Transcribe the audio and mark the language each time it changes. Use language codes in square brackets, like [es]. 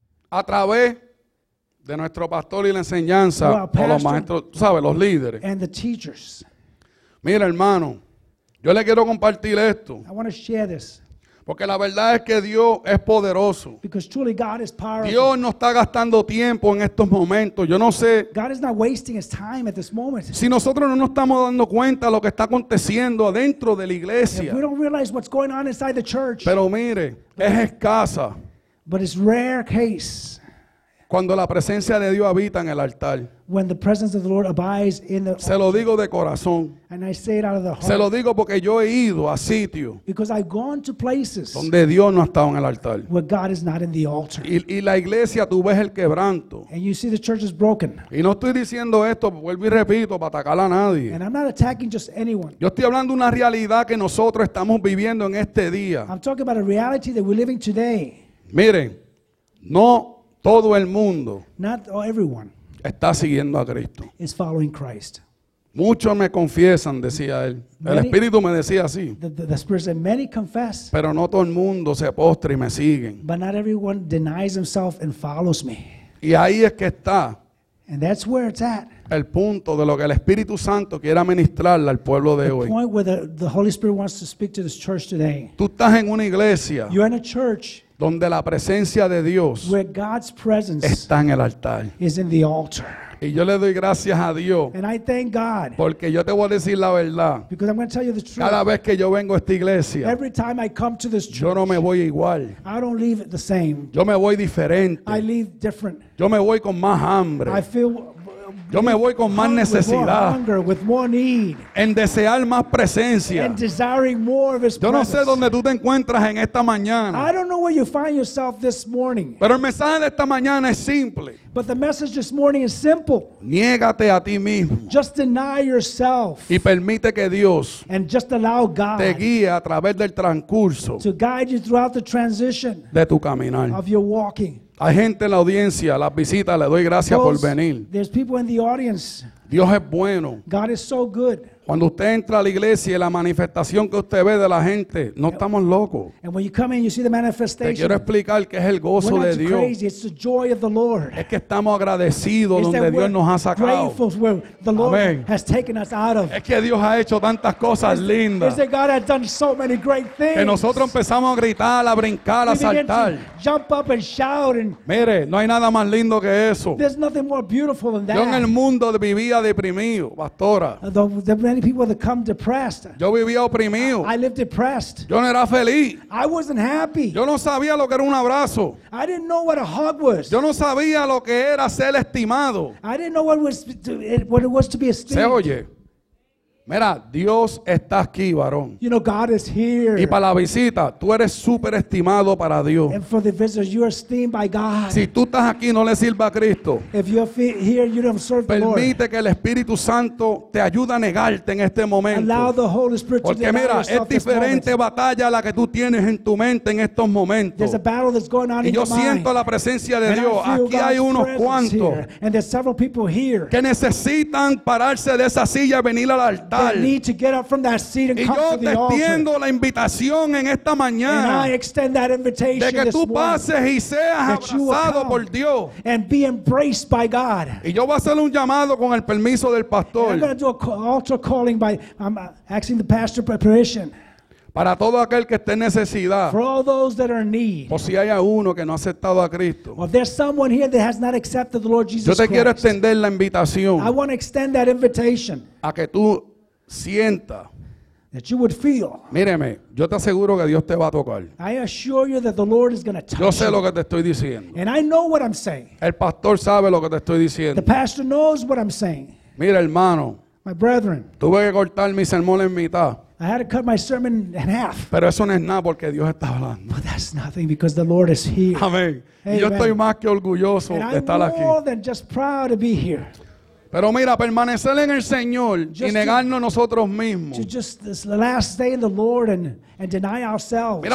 [es] A través de nuestro pastor y la enseñanza. Pastor, o los maestros, tú sabes, los líderes. [en] And the teachers. [es] Mira, hermano, yo le quiero compartir esto. [en] I want to share this. [es] Porque la verdad es que Dios es poderoso. [en] Because truly God is powerful. [es] Dios no está gastando tiempo en estos momentos. Yo no sé. [en] God is not wasting his time at this moment. [es] Si nosotros no nos estamos dando cuenta de lo que está aconteciendo adentro de la iglesia. [en] If we don't realize what's going on inside the church. [es] Pero mire, es escasa. [en] But it's rare case. [es] Cuando la presencia de Dios habita en el altar. [en] When the presence of the Lord abides in the altar. [es] Se lo digo de corazón. [en] And I say it out of the heart. [es] Se lo digo porque yo he ido a sitios. [en] Because I've gone to places. [es] Donde Dios no ha estado en el altar. [en] Where God is not in the altar. [es] Y la iglesia tú ves el quebranto. [en] And you see the church is broken. [es] Y no estoy diciendo esto, vuelvo y repito, para atacar a nadie. [en] And I'm not attacking just anyone. [es] Yo estoy hablando de una realidad que nosotros estamos viviendo en este día. [en] I'm talking about a reality that we're living today. [es] Miren, no todo el mundo. [en] Not everyone. [es] Está siguiendo a Cristo. [en] Is following Christ. [es] Muchos me confiesan, decía él. [en] Many, [es] el Espíritu me decía así. [en] The Spirit said, many confess. [es] Pero no todo el mundo se postra y me siguen. [en] But not everyone denies himself and follows me. [es] Y ahí es que está. [en] And that's where it's at. [es] El punto de lo que el Espíritu Santo quiere administrarle al pueblo de hoy. [en] The point where the Holy Spirit wants to speak to this church today. [es] Tú estás en una iglesia. [en] You're in a church. [es] Donde la presencia de Dios. [en] Where God's presence. [es] Está en el altar. [en] Is in the altar. [es] Y yo le doy gracias a Dios. [en] And I thank God. [es] Porque yo te voy a decir la verdad. [en] Because I'm going to tell you the truth. [es] Cada vez que yo vengo a esta iglesia. [en] Every time I come to this church. [es] Yo no me voy igual. [en] I don't leave the same. [es] Yo me voy diferente. [en] I leave different. [es] Yo me voy con más hambre. [en] I feel. [es] Yo me voy con más necesidad. [en] With more hunger, with more need. [es] En desear más presencia. [en] And desiring more of his presence. [es] Yo no sé dónde tú te encuentras en esta mañana. [en] I don't know where you find yourself this morning. [es] Pero el mensaje de esta mañana es simple. [en] But the message this morning is simple. [es] Niégate a ti mismo. [en] Just deny yourself. [es] Y permite que Dios. [en] And just allow God. [es] Te guíe a través del transcurso. [en] To guide you throughout the transition. [es] De tu caminar. [en] Of your walking. [es] Hay gente en la audiencia, las visitas, le doy gracias por venir. [en] There's people in the audience. [es] Dios es bueno. [en] God is so good. [es] Cuando usted entra a la iglesia y la manifestación que usted ve de la gente, no estamos locos. [en] And when you come in, you see the manifestation. [es] Te quiero explicar que es el gozo de Dios. [en] We're not crazy, it's the joy of the Lord. [es] Es que estamos agradecidos donde Dios nos ha sacado. [en] Where the Lord has taken us out of. [es] Es que Dios ha hecho tantas cosas lindas. [en] God has done so many great things. [es] Que nosotros empezamos a gritar, a brincar, a saltar. [en] Jump up and shout. And [es] mire, no hay nada más lindo que eso. [en] There's nothing more beautiful than that. [es] Yo en el mundo vivía deprimido, pastora. [en] Many people that come depressed. [es] Yo vivía oprimido. [en] I lived depressed. [es] Yo no era feliz. [en] I wasn't happy. [es] Yo no sabía lo que era un abrazo. [en] I didn't know what a hug was. [es] Yo no sabía lo que era ser estimado. [en] I didn't know what it was to be esteemed. [es] Se oye. Mira, Dios está aquí, varón. [en] You know, God is here. [es] Y para la visita, tú eres súper estimado para Dios. [en] And for the visitors, you are esteemed by God. [es] Si tú estás aquí, no le sirva a Cristo. [en] If you're here, you don't serve the Lord. [es] Permite que el Espíritu Santo te ayude a negarte en este momento. [en] Allow the Holy Spirit to deny yourself this moment. [es] Porque mira, es diferente batalla la que tú tienes en tu mente en estos momentos. [en] There's a battle that's going on in your mind. [es] Y yo siento la presencia de Dios. Aquí hay unos cuantos. [en] And there's several people here. [es] Que necesitan pararse de esa silla y venir al altar. [en] They need to get up from that seat and [es] y [en] come [es] yo [en] to the [es] extiendo [en] altar. [es] La invitación en esta mañana. [en] And I extend that invitation [es] de que [en] this [es] tú pases [en] morning. [es] Y seas [en] that [es] abrazado [en] you will come [es] por Dios. [en] And be embraced by God. [es] Y yo voy a hacer un llamado con el permiso del pastor. [en] And I'm going to do an altar calling by asking the pastor permission. [es] Para todo aquel que esté en necesidad. [en] For all those that are in need. [es] O si hay uno que no ha aceptado a Cristo. [en] Or if there's someone here that has not accepted the Lord Jesus [es] yo te [en] Christ. [es] Quiero extender la invitación. [en] I want to extend that invitation. [es] A que tú sienta. [en] That you would feel. [es] Míreme, yo te aseguro que Dios te va a tocar. [en] I assure you that the Lord is going to touch [es] yo sé lo que te estoy diciendo. [en] And I know what I'm saying. [es] El pastor sabe lo que te estoy diciendo. [en] The pastor knows what I'm saying. [es] Mira, hermano. [en] My brethren. [es] Tuve que cortar mi sermón en mitad. [en] I had to cut my sermon in half. [es] Pero eso no es nada porque Dios está hablando. [en] But that's nothing because the Lord is here. [es] Amén. Y yo estoy más que orgulloso [en] and [es] de estar aquí. [en] I'm more than just proud to be here. [es] Pero mira, permanecer en el Señor y negarnos a nosotros mismos. [en] To just this last day in the Lord and deny ourselves.